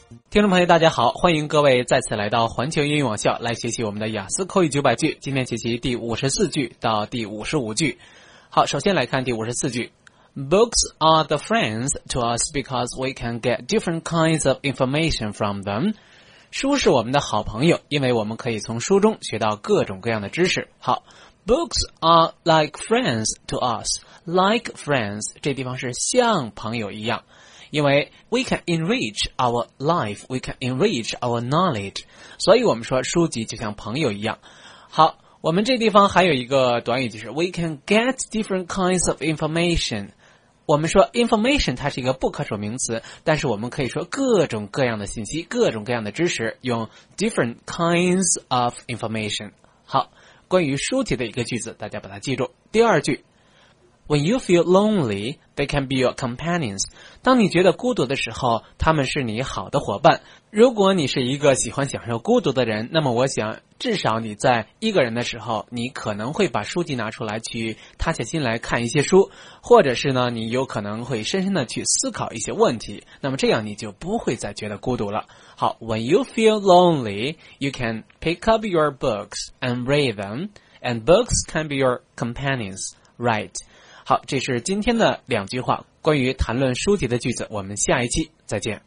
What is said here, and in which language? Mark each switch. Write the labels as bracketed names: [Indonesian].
[Chinese] 听众朋友大家好，欢迎各位再次来到环球英语网校来学习我们的雅思口语九百句，今天学习第54句到第55句。好，首先来看第54句。 [English] Books are the friends to us because we can get different kinds of information from them. [Chinese] 书是我们的好朋友，因为我们可以从书中学到各种各样的知识。 [English] 好， Books are like friends to us. Like friends, [Chinese] 这地方是像朋友一样。因为 [English] we can enrich our life, we can enrich our knowledge. [Chinese] 所以我们说书籍就像朋友一样。好，我们这地方还有一个短语，就是 [English] we can get different kinds of information. [Chinese] 我们说 information 它是一个不可数名词，但是我们可以说各种各样的信息，各种各样的知识，用 [English] different kinds of information. [Chinese] 好，关于书籍的一个句子，大家把它记住。第二句， [English] When you feel lonely, they can be your companions. [Chinese] 当你觉得孤独的时候，他们是你好的伙伴。如果你是一个喜欢享受孤独的人，那么我想至少你在一个人的时候，你可能会把书籍拿出来去踏下心来看一些书，或者是呢，你有可能会深深的去思考一些问题，那么这样你就不会再觉得孤独了。 [English] 好， When you feel lonely, you can pick up your books and read them, and books can be your companions, right? [Chinese] 好，这是今天的两句话，关于谈论书籍的句子，我们下一期再见。